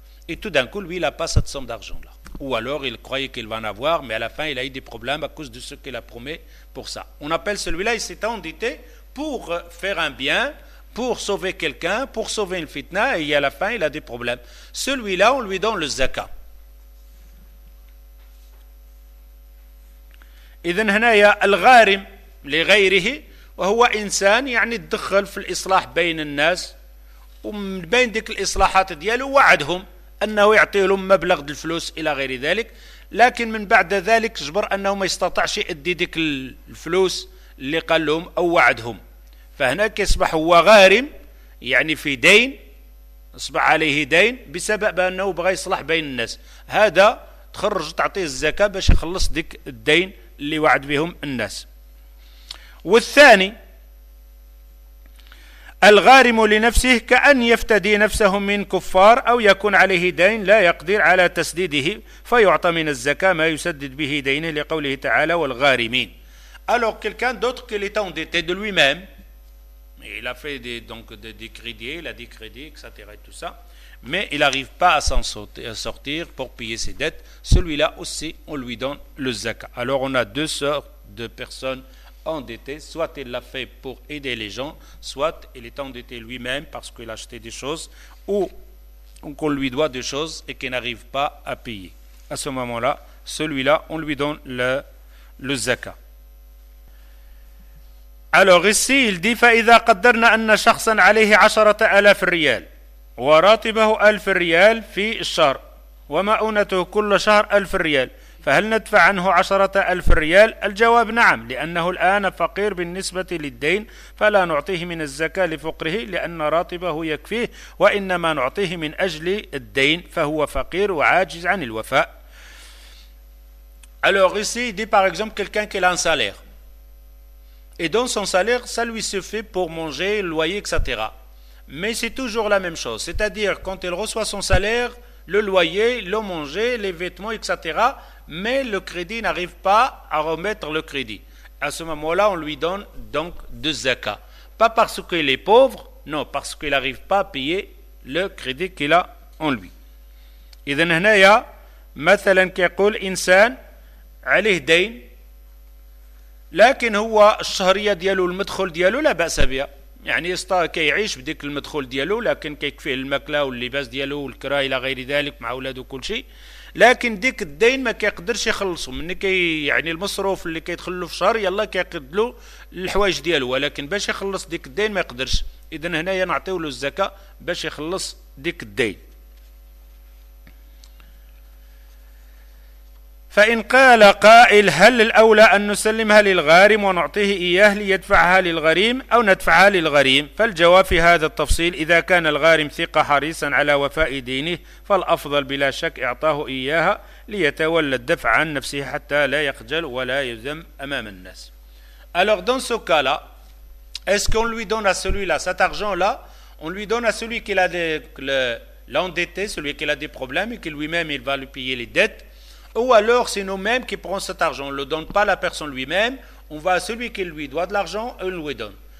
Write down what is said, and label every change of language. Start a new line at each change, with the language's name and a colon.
French: Et tout d'un coup, lui, il n'a pas cette somme d'argent-là. Ou alors, il croyait qu'il va en avoir, mais à la fin, il a eu des problèmes à cause de ce qu'il a promis pour ça. On appelle celui-là, il s'est endetté pour faire un bien, pour sauver quelqu'un, pour sauver une fitna, et à la fin, il a des problèmes. Celui-là, on lui donne le zakat.
Arabic: إذن هنا يا الغارم لغيره وهو إنسان يعني دخل في الإصلاح بين الناس ومن بين ديك الإصلاحات ديالو وعدهم أنه يعطي لهم مبلغ الفلوس إلى غير ذلك لكن من بعد ذلك جبر أنه ما يستطعش يدي ديك الفلوس اللي قال لهم أو وعدهم فهناك يصبح هو غارم يعني في دين أصبح عليه دين بسبب أنه بغى يصلح بين الناس هذا تخرج تعطيه الزكاة باش يخلص ديك الدين اللي وعد بهم الناس والثاني الغارم لنفسه كأن يفتدي نفسه من كفار أو يكون عليه دين لا يقدر على تسديده فيعطى من الزكاة ما يسدد به دينه لقوله تعالى والغارمين.
French: Alors quelqu'un d'autre qui est endetté de lui-même, mais il a fait des crédits, il a des crédits, etc. Et tout ça, mais il n'arrive pas à s'en sortir pour payer ses dettes. Celui-là aussi, on lui donne le zakat. Alors on a deux sortes de personnes endettées. Soit il l'a fait pour aider les gens, soit il est endetté lui-même parce qu'il a acheté des choses, ou qu'on lui doit des choses et qu'il n'arrive pas à payer. À ce moment-là, celui-là, on lui donne le zakat. Alors ici, il dit «
Arabic: فَإِذَا قَدَّرْنَا أَنَّ شَخْصًا عَلَيْهِ عَشَرَةَ أَلَافِ الرِّيَالِ وَرَاطِبَهُ أَلْفِ الرِّيَالِ فِي الشَّهْرِ وَمَأُونَتُهُ كُلَّ شَهْرِ أَلْفِ الرِّيَالِ فَهَلْ نَدْفَعْ عَنْهُ عَشَرَةَ أَلْفِ الرِّيَالِ الجواب نعم لأنه الآن فقير بالنسبة للدين فلا نعطيه من الزكاة لفقره لأن راتبه يكفيه وإنما نعطيه من أجل الدين فهو فقير وعاجز عن الوفاء.
French: Alors ici, il dit par exemple quelqu'un qui a un salaire. Et donc son salaire, ça lui suffit pour manger, loyer, etc. Mais c'est toujours la même chose. C'est-à-dire, quand il reçoit son salaire, le loyer, l'eau manger, les vêtements, etc. Mais le crédit n'arrive pas à remettre le crédit. À ce moment-là, on lui donne donc deux zakats. Pas parce qu'il est pauvre, non, parce qu'il n'arrive pas à payer le crédit qu'il a en lui.
Arabic: إذن هنا يا مثلا كيقول إنسان عليه دين لكن هو الشهريه ديالو المدخول ديالو لا باس بها يعني كيعيش بديك المدخول ديالو لكن كيكفيه الماكله واللباس ديالو والكرا الى غير ذلك مع ولادو كل شيء لكن ديك الدين ما كيقدرش يخلصو من يعني المصروف اللي كيدخل له في الشهر يلا كيقدلو الحوايج ديالو ولكن باش يخلص ديك الدين ما يقدرش إذن هنا نعطيه الزكاة باش يخلص ديك الدين. فإن قال قائل هل الأولى أن نسلمها للغارم ونعطيه إياه ليدفعها للغريم أو ندفعها للغريم؟ فالجواب في هذا التفصيل إذا كان الغارم ثقة حريصا على وفاء دينه فالأفضل بلا شك إعطاه إياها ليتولى الدفع عن نفسه حتى لا يخجل ولا يذم أمام الناس.
French: Alors dans ce cas-là, est-ce qu'on lui donne à celui-là cet argent-là? On lui donne à celui qui l'a l'endetté, celui qui a des problèmes et qui lui-même il va lui payer les dettes? Ou alors c'est nous-mêmes qui prenons cet argent, on ne le donne pas à la personne lui-même, on va à celui qui lui doit de l'argent, on lui donne.